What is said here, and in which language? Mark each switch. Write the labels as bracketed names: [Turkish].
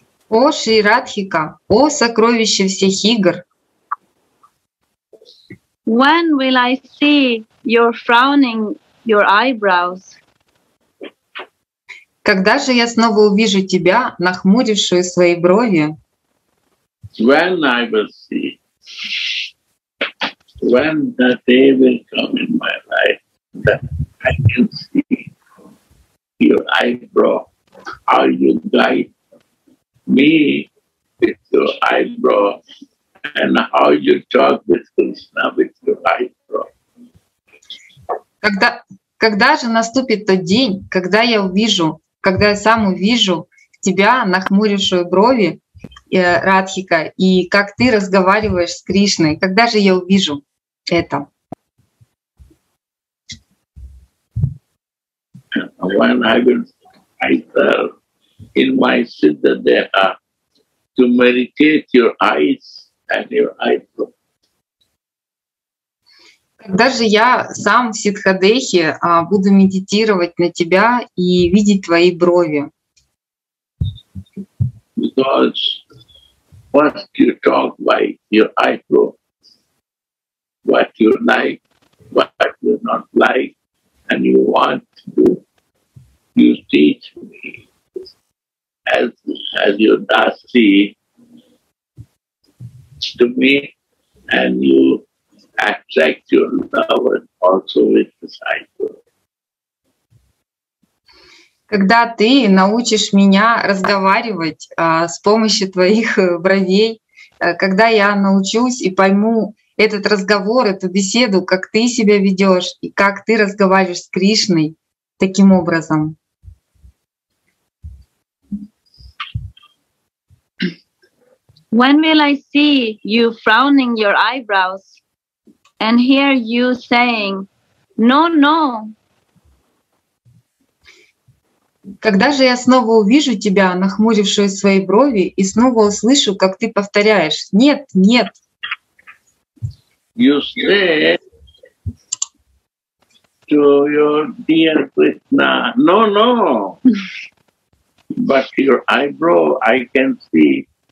[Russian] Oshi Radhika, о сокровище всех игр. [English] When will I see your frowning your eyebrows? [Russian] Когда же я снова увижу тебя, нахмурившую свои брови? [English] When I will see. When the day will come in my life that I can see your eyebrow, how you guide me with your eyebrow, and how you talk with Krishna with your eyebrow. [Russian] Когда же наступит тот день, когда я увижу, когда я сам увижу тебя, нахмурившую брови, Радхика, и как ты разговариваешь с Кришной, когда же я увижу это? [English] When I will either in my siddha deha to meditate your eyes and your eyebrow. [Russian] Когда же я сам в Сиддхадехе буду медитировать на тебя и видеть твои брови? [English] Because what you talk by your eyebrow, what you like, what you not like, and you want to do, you teach me as your dasi to me, and you attract your love also with this eyebrow. [Russian] Когда ты научишь меня разговаривать с помощью твоих бровей, когда я научусь и пойму этот разговор, эту беседу, как ты себя ведешь и как ты разговариваешь с Кришной таким образом. [English] When will I see you frowning your eyebrows and hear you saying, no, no? [Russian] Когда же я снова увижу тебя, нахмурившую свои брови, и снова услышу, как ты повторяешь: нет, нет. [English] You say to your dear Krishna, no, no. But your eyebrow, I can see.